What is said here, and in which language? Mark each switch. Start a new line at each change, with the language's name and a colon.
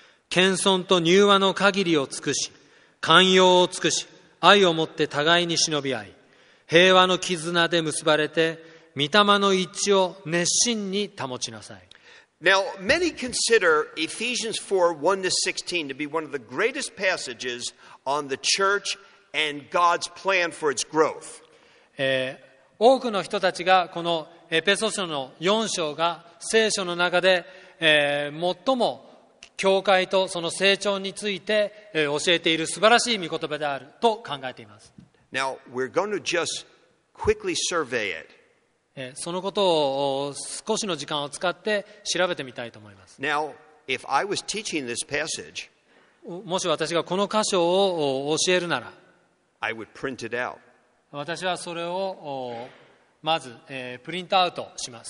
Japanese: 謙遜と柔和の限りを尽くし、寛容を尽くし、愛をもって互いに忍び合い、平和の絆で結ばれて御霊の一致を熱心に保ちなさい。
English: Now many consider Ephesians 4:1-16 to be one of the greatest passages on the church and God's plan for its growth.
Japanese: 多くの人たちがこのエペソ書の4章が聖書の中で最も教会とその成長について教えている素晴らしい御言葉であると考えています。
English: Now, we're going to just quickly survey it.
Japanese: そのことを少しの時間を使って調べてみたいと思います。
English: Now, if I was teaching this passage,
Japanese: もし私がこの箇所を教えるなら
English: I would print it out.
Japanese: 私はそれをまずプリントアウトします。